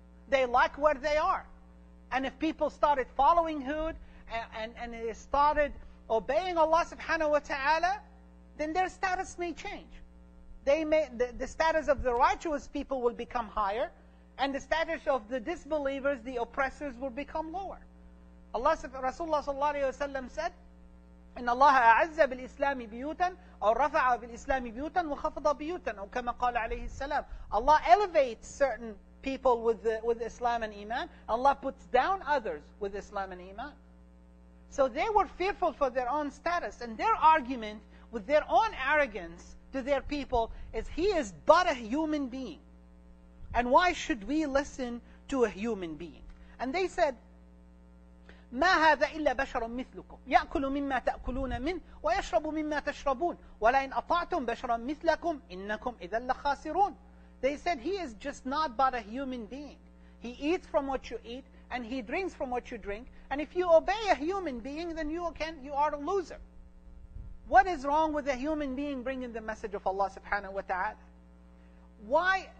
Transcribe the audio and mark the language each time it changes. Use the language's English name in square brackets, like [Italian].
[English] they like where they are. And if people started following Hud and they started obeying Allah subhanahu wa ta'ala, then their status may change. They may, the status of the righteous people will become higher, and the status of the disbelievers, the oppressors, will become lower. Rasulullah sallallahu alayhi wa sallam said, [Arabic] إن الله أعز بالإسلام بيوتا أو رفع بالإسلام بيوتا وخفض بيوتا أو كما قال عليه السلام. [English] Allah elevates certain people with Islam and Iman. Allah puts down others with Islam and Iman. So they were fearful for their own status, and their argument with their own arrogance to their people is, he is but a human being, and why should we listen to a human being? And they said, [Arabic] ما هذا إلا بشر مثلكم يأكل مما تأكلون منه ويشرب مما تشربون ولئن أطعتم بشرا مثلكم إنكم إذا لخاسرون. [English] They said, he is just not but a human being. He eats from what you eat and he drinks from what you drink. And if you obey a human being, then you are a loser. What is wrong with a human being bringing the message of Allah subhanahu wa ta'ala?